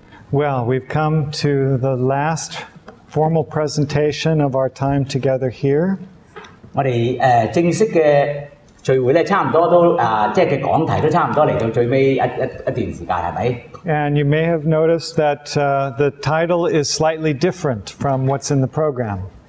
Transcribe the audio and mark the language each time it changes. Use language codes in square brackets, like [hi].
[en] Well, we've come to the last formal presentation of our time together here. [yue] 我们正式的聚会差不多都，即是讲题都差不多嚟到最尾一段时间，系咪？ [en] And you may have noticed that the title is slightly different from what's in the program.